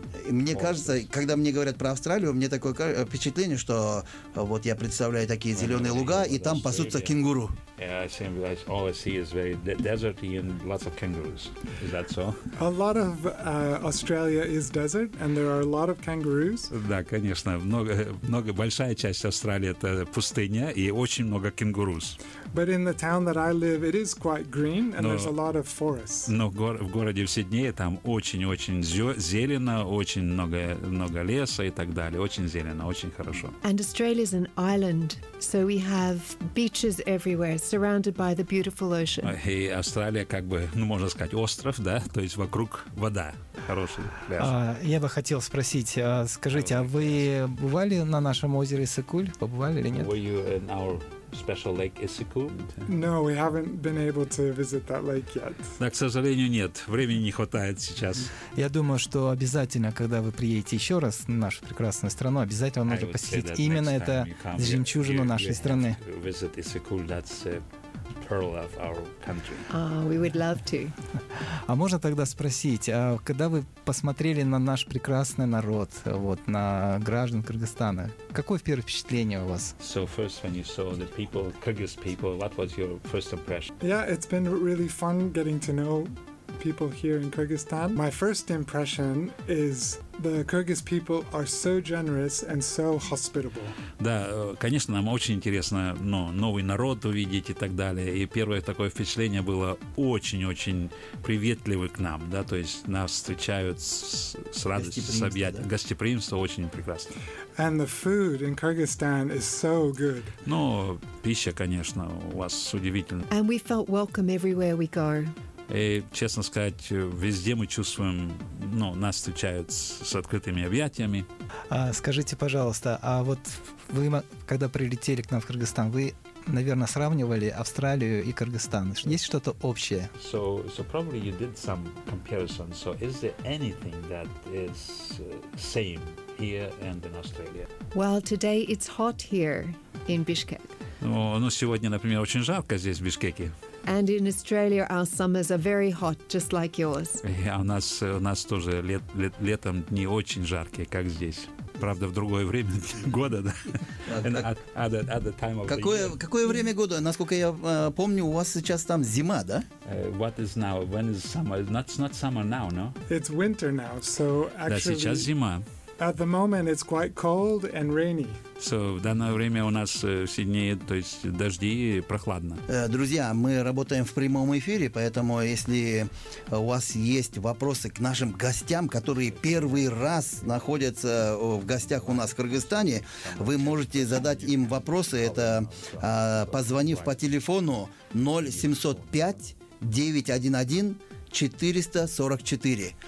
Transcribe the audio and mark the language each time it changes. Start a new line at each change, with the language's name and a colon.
Russian: Мне кажется, когда мне говорят про Австралию, мне такое впечатление, что вот я представляю такие зеленые луга, и там пасутся кенгуру.
English: All I see is very deserty and lots of kangaroos. Is that so? A lot of Australia is desert, and there are a lot of kangaroos.
Russian: Да, конечно, большая часть Австралии это пустыня и очень много кенгурус.
English: But in the town that I live, it is quite green, and there's a lot of forests.
Russian: Но в городе в Сиднее там очень-очень зелено, очень много леса и так далее. Очень зелено, очень хорошо.
English: And Australia is an island, so we have beaches everywhere, surrounded by the beautiful ocean.
Russian: И Австралия как бы, можно сказать, остров, да, то есть вокруг вода. Хороший пляж. Я бы хотел спросить, скажите, а вы бывали на нашем озере Иссык-Куль? Побывали или нет?
English: Were you in our special lake Иссык-Куль? No, we haven't been able to visit that lake yet.
Russian: Да, к сожалению, нет. Времени не хватает сейчас. Я думаю, что обязательно, когда вы приедете еще раз в нашу прекрасную страну, обязательно нужно посетить именно это жемчужину нашей страны.
English: Visit Иссык-Куль, that's a pearl of our country. We would love to.
Russian: А можно тогда спросить, когда вы посмотрели на наш прекрасный народ, вот, на граждан Кыргызстана, какое первое впечатление у вас?
English: So first when you saw the people, Kyrgyz people, what was your first impression? Yeah, it's been really fun getting to know people here in Kyrgyzstan. My first impression is the Kyrgyz people are so generous and so hospitable.
Russian: Да, конечно, нам очень интересно, но новый народ увидеть и так далее. И первое такое впечатление было очень-очень приветливы к нам, да, то есть нас встречают с радостью, с объятием. Гостеприимство очень прекрасно.
English: And the food in Kyrgyzstan is so good.
Russian: Но пища, конечно, у вас удивительна.
English: And we felt welcome everywhere we go.
Russian: И, честно сказать, везде мы чувствуем, нас встречают с открытыми объятиями. Скажите, пожалуйста, а вот вы, когда прилетели к нам в Кыргызстан, вы наверное, сравнивали Австралию и Кыргызстан. Есть что-то общее?
English: So probably you did some comparison. So is there anything that is same here and in Australia? Well, today it's hot here in Bishkek.
Russian: Ну, сегодня, например, очень жарко здесь, в Бишкеке.
English: And in Australia our summers are very hot, just like yours.
Russian: А у нас тоже летом дни очень жаркие, как здесь. Правда, в другое время года, да? Какое время года? Насколько я помню, у вас сейчас там зима, да?
English: What is now? When is summer? It's not summer now, no? It's winter now, so actually...
Russian: Да, сейчас зима.
English: At the moment, it's quite cold and rainy.
Russian: So, в данное время у нас в Сиднее, то есть дожди и прохладно. Друзья, мы работаем в прямом эфире, поэтому если у вас есть вопросы к нашим гостям, которые первый раз находятся в гостях у нас в Кыргызстане, вы можете задать им вопросы, это позвонив по телефону 0705-911-444.